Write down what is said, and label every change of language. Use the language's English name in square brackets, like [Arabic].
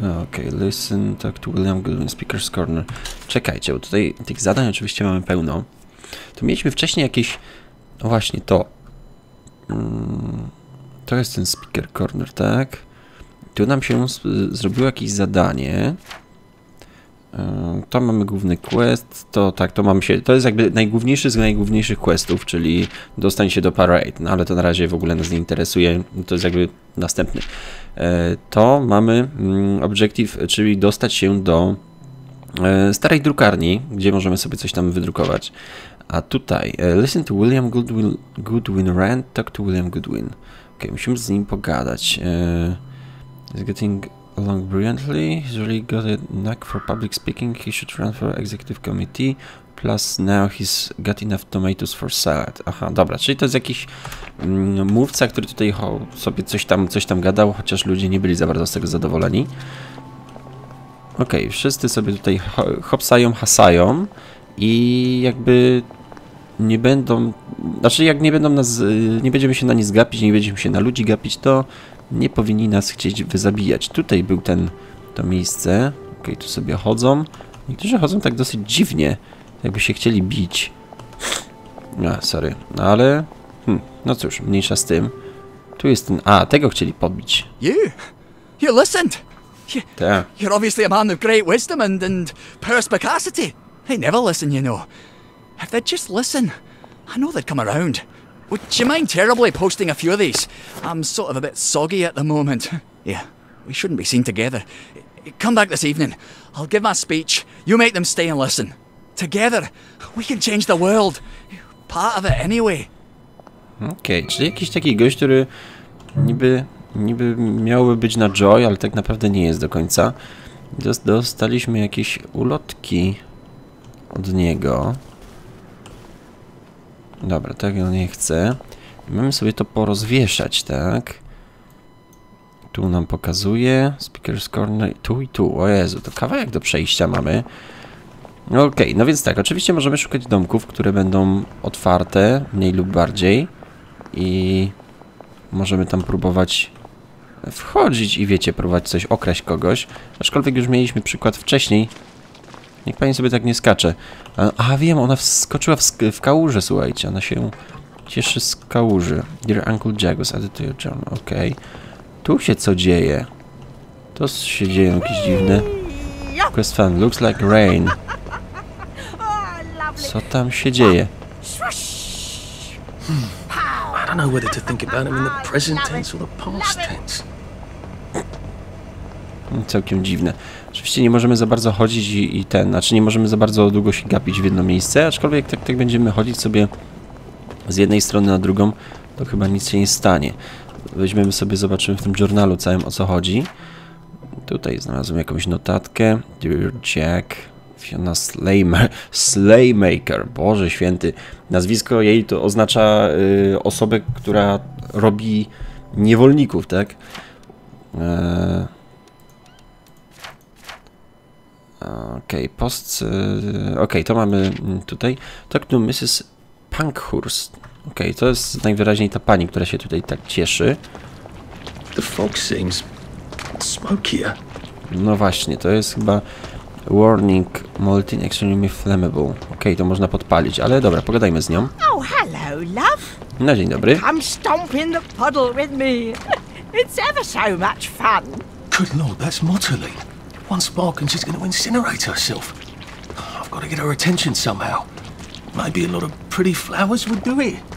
[English] Okej, listen, talk to William Goodwin, Speaker's Corner. [Polish] Czekajcie, bo tutaj tych zadań oczywiście mamy pełno. Tu mieliśmy wcześniej jakieś... No właśnie, to. To jest ten Speaker Corner, tak? Tu nam się zrobiło jakieś zadanie. To mamy główny quest. To tak, to mam się... To jest jakby najgłówniejszy z najgłówniejszych questów, czyli dostań się do Parade. No ale to na razie w ogóle nas nie interesuje. To jest jakby następny. To mamy objective, czyli dostać się do starej drukarni, gdzie możemy sobie coś tam wydrukować. A tutaj, [English] listen to William Goodwin rant, talk to William Goodwin. [Polish] Ok, musimy z nim pogadać. [English] He's getting along brilliantly, he's really got a knack for public speaking, he should run for executive committee. plus now he's got enough tomatoes for salad. [Polish] Aha, dobra, czyli to jest jakiś mówca, który tutaj sobie coś tam gadał, chociaż ludzie nie byli za bardzo z tego zadowoleni. Okej, okay, wszyscy sobie tutaj hopsają, hasają i jakby nie będą, znaczy jak nie będą nas, nie będziemy się na nic gapić, nie będziemy się na ludzi gapić, to nie powinni nas chcieć wyzabijać. Tutaj był ten, to miejsce. Okej, okay, tu sobie chodzą. Niektórzy chodzą tak dosyć dziwnie, jakby się chcieli bić. A, sorry, no ale... no cóż, mniejsza z tym. Tu jest ten... A, tego chcieli pobić. [English] You listened! You're obviously a man of great wisdom and perspicacity. They never listen, you know. If they'd just listen, I know they'd come around. Would you mind terribly posting a few of these? I'm sort of a bit soggy at the moment. Yeah, we shouldn't be seen together. Come back this evening. I'll give my speech. You make them stay and listen. Together, we can change the world. Part of it anyway. [Polish] Okej, okay, czyli jakiś taki gość, który niby miałby być na Joy, ale tak naprawdę nie jest do końca. Dostaliśmy jakieś ulotki od niego. Dobra, tak, on nie chce. Mamy sobie to porozwieszać, tak? Tu nam pokazuje, Speaker's Corner, tu i tu, o Jezu, to kawałek do przejścia mamy. Okej, okay, no więc tak, oczywiście możemy szukać domków, które będą otwarte, mniej lub bardziej. I możemy tam próbować wchodzić i wiecie, próbować coś, okraść kogoś. Aczkolwiek już mieliśmy przykład wcześniej. Niech pani sobie tak nie skacze. A wiem, ona wskoczyła w kałużę, słuchajcie, ona się cieszy z kałuży. [English] Dear Uncle Jack was added to your journal, okej. [Polish] Okay. Tu się co dzieje? To się dzieje jakieś dziwne. [English] Quest fan, looks like rain. [Polish] Co tam się dzieje? [English] I don't know whether to think about him in the present tense or the past tense. [Polish] Całkiem dziwne. Oczywiście nie możemy za bardzo chodzić i ten, znaczy nie możemy za bardzo długo się gapić w jedno miejsce, aczkolwiek tak będziemy chodzić sobie z jednej strony na drugą, to chyba nic się nie stanie. Weźmiemy sobie, zobaczymy w tym journalu całym, o co chodzi. Tutaj znalazłem jakąś notatkę. [English] Dear Jack, Fiona Slaymaker, [Polish] Boże święty. Nazwisko jej to oznacza osobę, która robi niewolników, tak? Okej, okay, post... Okej, okay, to mamy tutaj. [English] Talk to Mrs. Pankhurst. [Polish] Okej, okay, to jest najwyraźniej ta pani, która się tutaj tak cieszy. [English] The fog seems smokier. [Polish] No właśnie, to jest chyba [English] warning molten extremely flammable. [Polish] Okej, okay, to można podpalić, ale dobra, pogadajmy z nią. [English] Oh, hello, love. [Polish] Na dzień dobry. [English] Come stomp in the puddle with me. It's ever so much fun. Good lord, that's Motley. One spark and she's gonna incinerate herself. I've got to get her attention somehow. Maybe a lot of pretty flowers would do it.